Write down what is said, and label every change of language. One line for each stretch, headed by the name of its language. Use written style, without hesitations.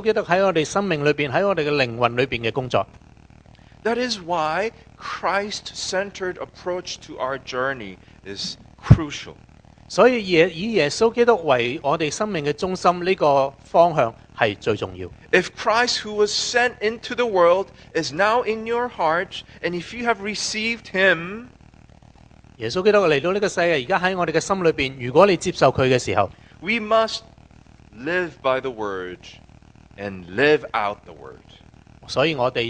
Chinese: 我们的行动去反映到耶稣基督在我们生命里面，在我们的灵魂里面的工作。
English: That is why Christ-centered approach to our journey is crucial.
Chinese: 所以以耶稣基督为我们生命的中心，这个方向是最重要。
English: If Christ who was sent into the world is now in your heart, and if you have received Him,
Chinese: 耶稣基督来到这个世界，现在在我们的心里面，如果你接受祂的时候,
English: we must live by the Word and live out the Word.